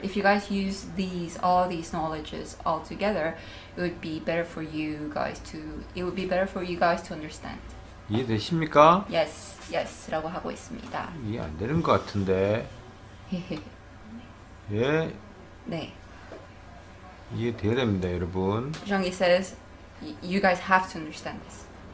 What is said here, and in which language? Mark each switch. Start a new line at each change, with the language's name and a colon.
English: If you guys use all these knowledges all together, it would be better for you guys to understand.
Korean: 이해되십니까? Yes, 라고 하고 있습니다. 이해 안 되는 것 같은데. 예. 네. 이해돼야 됩니다, 여러분.
English: Zhonggi says, you guys have to understand this.